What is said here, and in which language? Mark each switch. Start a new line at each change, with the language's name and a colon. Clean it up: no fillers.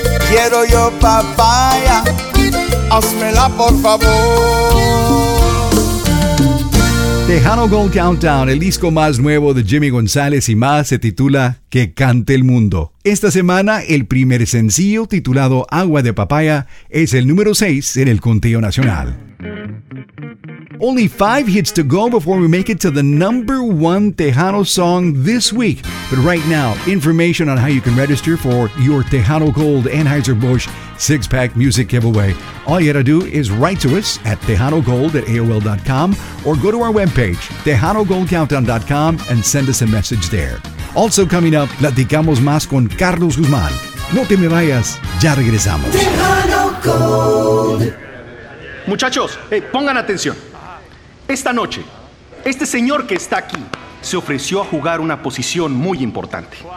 Spanish: Quiero yo papaya, házmela por favor. Tejano Gold Countdown, el disco más nuevo de Jimmy González y más, se titula Que Cante el Mundo. Esta semana, el primer sencillo titulado Agua de Papaya es el número 6 en el conteo nacional.
English: Only 5 hits to go before we make it to the number 1 Tejano song this week. But right now, information on how you can register for your Tejano Gold Anheuser-Busch 6-pack music giveaway. All you gotta do is write to us at TejanoGold@AOL.com or go to our webpage, TejanoGoldCountdown.com, and send us a message there. Also coming up,
Spanish: platicamos más con Carlos Guzmán. No te me vayas, ya regresamos. Tejano Gold. Muchachos, hey, pongan atención. Esta noche, este señor que está aquí se ofreció a jugar una posición muy importante.